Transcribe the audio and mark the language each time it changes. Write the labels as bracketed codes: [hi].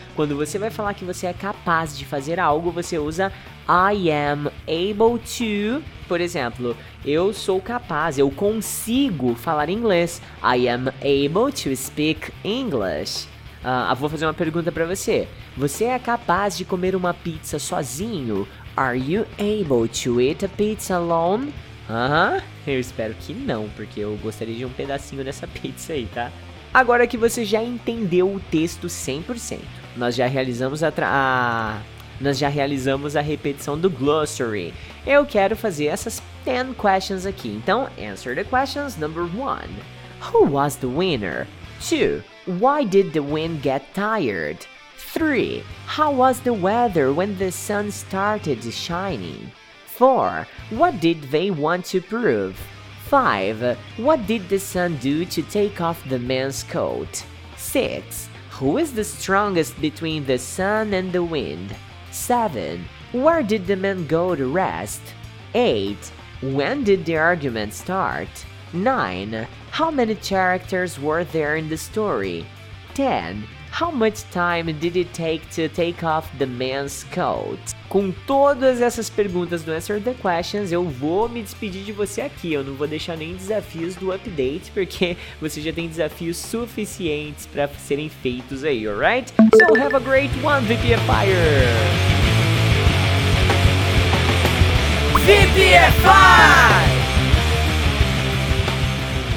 [pt] Quando você vai falar que você é capaz de fazer algo, você usa [en] I am able to. [pt] Por exemplo, eu sou capaz, eu consigo falar inglês. [en] I am able to speak English. [pt] Vou fazer uma pergunta pra você. Você é capaz de comer uma pizza sozinho? [en] Are you able to eat a pizza alone? [pt] Eu espero que não, porque eu gostaria de um pedacinho dessa pizza aí, tá? Agora que você já entendeu o texto 100%, nós já realizamos a repetição do glossary. Eu quero fazer essas 10 questions aqui. Então, [en] answer the questions. Number 1. Who was the winner? 2. Why did the wind get tired? 3. How was the weather when the sun started shining? 4. What did they want to prove? 5. What did the sun do to take off the man's coat? 6. Who is the strongest between the sun and the wind? 7. Where did the man go to rest? 8. When did the argument start? 9. How many characters were there in the story? 10. How much time did it take to take off the man's coat? [pt] Com todas essas perguntas do Answer the Questions, eu vou me despedir de você aqui. Eu não vou deixar nem desafios do update, porque você já tem desafios suficientes para serem feitos aí, alright? [en] So have a great one, VPFire! VPFire!